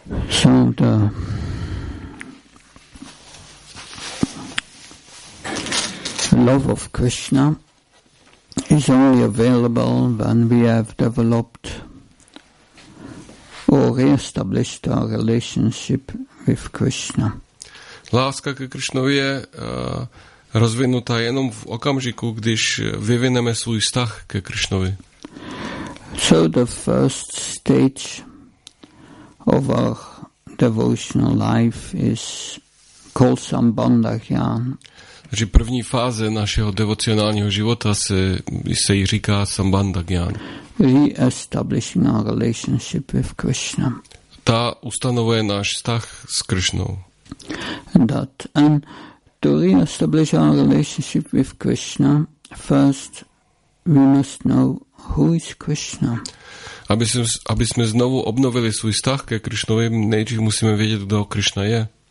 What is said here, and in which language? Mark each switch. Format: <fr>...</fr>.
<en>So the love of Krishna is only available when we have developed or re-established our relationship with Krishna.</en> <cs>Láska ke Krishnovi je rozvinutá jenom v okamžiku, když vyvineme svůj vztah ke Krishnovi.</cs> <en>So the first stage of our devotional life is called Sambandhyan.</en> <cs>Takže první fáze našeho devocionálního života se jí říká Sambandha Gyan.</cs> <en>Re-establishing our relationship with Krishna.</en> <cs>Ta ustanovuje náš vztah s Krishnou.</cs> <en>And to re-establish our relationship with Krishna, first we must know who is Krishna.</en> <cs>Aby jsme znovu obnovili svůj vztah ke Krishnovi, nejdřív musíme vědět, kdo Krishna je.</cs>